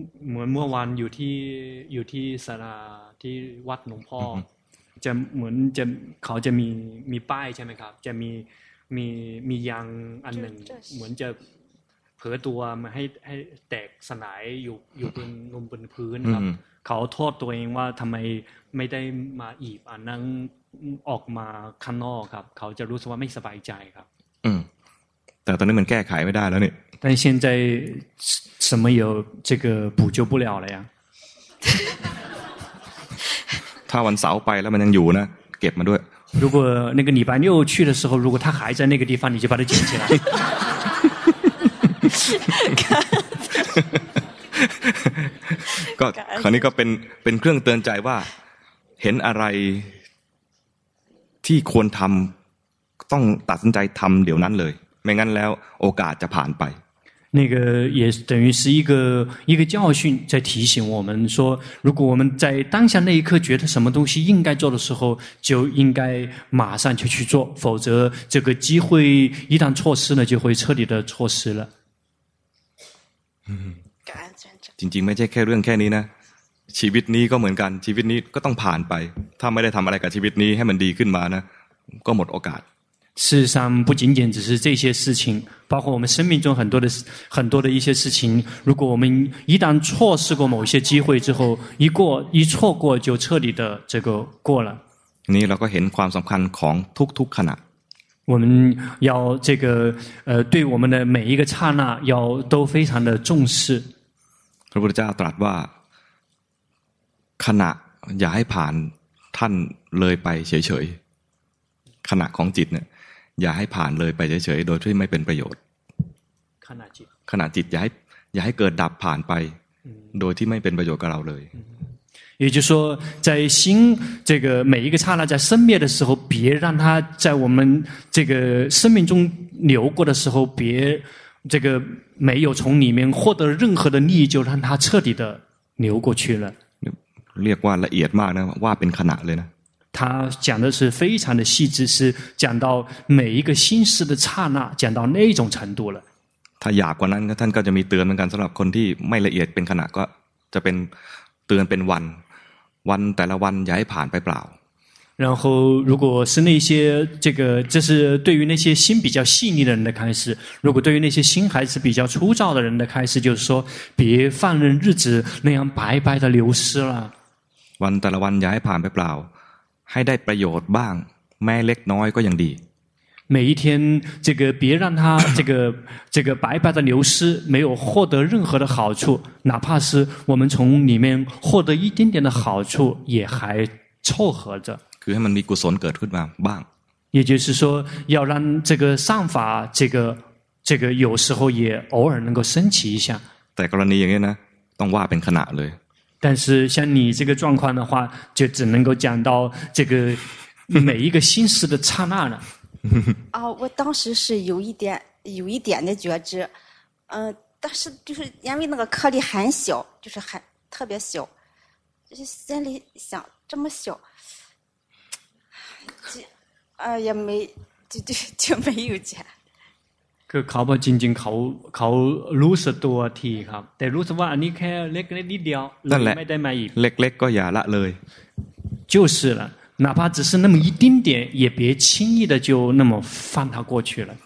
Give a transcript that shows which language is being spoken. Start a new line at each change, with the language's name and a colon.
Thai: เมื่อวานอยู่ที่ศาลาที่วัดหลวงพ่อจะเหมือนจะเขาจะมีป้ายใช่ไหมครับจะมียางอันหนึ่งเหมือนจะเผยตัวมาให้แตกสลายอยู่บนพื้นครับเขาโทษตัวเองว่าทำไมไม่ได้มาอีบอันนั้นออกมาข้างนอกครับเขาจะรู้สึกว่าไม่สบายใจครับ แต่ตอนนี้มันแก้ไขไม่ได้แล้วนี่
Chinese: 但现在什么有这个补救不了了呀他晚上
Thai: ไปแล้วมันยังอยู่นะเก็บมันด้วย
Chinese: 如果那个礼拜六去的时候如果他还在那个地方你就把它捡起来
Thai: ก็คราวนี้ก็เป็นเครื่องเตือนใจว่าเห็นอะไรที่ควรทำต้องตัดสินใจทำเดี๋ยวนั้นเลยไม่งั้นแล้วโอกาสจะผ่านไป
Chinese: 那个也等于是一个教训在提醒我们说如果我们在当下那一刻觉得什么东西应该做的时候就应该马上就去做否则这个机会一旦错失了就会彻底的错失了
Thai: จริงๆไม่ใช่แค่เรื่องแค่นี้นะชีวิตนี้ก็เหมือนกันชีวิตนี้ก็ต้องผ่านไปถ้าไม่ได้ทำอะไรกับชีวิตนี้ให้มันดีขึ้นมานะก็หมดโอกาส
Chinese: 事实上不仅仅只是这些事情包括我们生命中很多的一些事情如果我们一旦错失过某些机会之后一错过就彻底的这个过了
Thai: นี่เราก็เห็นความสำคัญของทุกๆขณะ
Chinese: 我们要这个对我们的每一个刹那要都非常的重视
Thai: พระพุทธเจ้าตรัสว่าขณะอย่าให้ผ่านท่านเลยไปเฉยๆขณะของจิตเนี่ยอย่าให้ผ่านเลยไปเฉยๆโดยที่ไม่เป็นประโยชน์ขณะจิต ขณะจิตอย่าให้เกิดดับผ่านไปโดยที่ไม่เป็นประโยชน์กับเราเลย
Chinese: 也就是说在心这个每一个刹那在生灭的时候别让它在我们这个生命中流过的时候别这个没有从里面获得任何的利益就让它彻底的流过去了
Thai: เรียกว่าละเอียดมากนะว่าเป็นขณะเลยนะ
Chinese: 他讲的是非常的细致是讲到每一个心识的刹那讲到那种程度了
Thai: ถ้าอยากกว่านั้นท่านก็จะมีเตือนเหมือนกันสำหรับคนที่ไม่ละเอียดเป็นขณะก็จะเป็นเตือนเป็นวันแต่ละวันอย่าให้ผ่านไปเปล่า
Chinese: 然后如果是那些这个这是对于那些心比较细腻的人的开始如果对于那些心还是比较粗糙的人的开始就是说别放任日子那样白白的流失了
Thai: วันแต่ละวันอย่าให้ผ่านไปเปล่าให้ได้ประโยชน์บ้างแม้เล็กน้อยก็ยังดี
Chinese: 每一天这个别让他这个白白的流失没有获得任何的好处哪怕是我们从里面获得一点点的好处也还凑合着
Thai: คือให้มันมีกุศลเกิดขึ้นมาบ้าง
Chinese: 也就是说要让这个善法这个有时候也偶尔能够升起一下
Thai: แต่กรณีอย่างนี้นะต้องว่าเป็นขณะเลย
Chinese: 但是像你这个状况的话就只能够讲到这个每一个心识的刹那了哦，我当时是有一点的觉知，但是就是因为那个颗粒很小，就是很特别小，就是心里想这么小，也没就没有见。
Thai: คือเขาบอกจริงๆเขารู้สึกตัวทีครับแต่รู้สึกว่าอันนี้แค่เล็กนิดเดียว นั่นแหละ ไม่ได้มาอีก เล็กๆก็อย่าละเลย
Chinese: 就是了哪怕只是那么一丁点也别轻易的就那么放它过去了